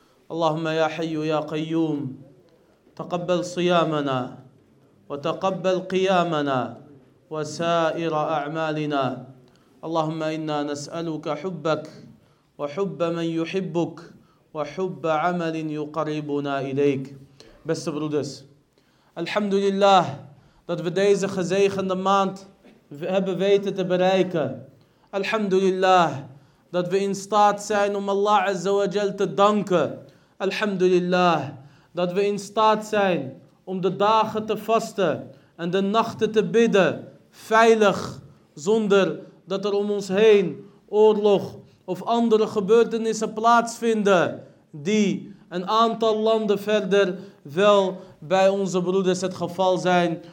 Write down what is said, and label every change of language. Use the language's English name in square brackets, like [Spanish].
[Arabic] Allahumma ya hayyu ya qayyum, taqabbal siyamana وتقبل قيامنا وسائر أعمالنا. اللهم إنا نسألك حبك وحب من يحبك وحب عمل يقربنا إليك. [Dutch] Best brothers, alhamdulillah dat we deze gezegende maand hebben weten te bereiken. Alhamdulillah dat we in staat zijn om Allah Azza wa Jal te danken. Alhamdulillah dat we in staat zijn om de dagen te vasten en de nachten te bidden, veilig, zonder dat er om ons heen oorlog of andere gebeurtenissen plaatsvinden die een aantal landen verder wel bij onze broeders het geval zijn.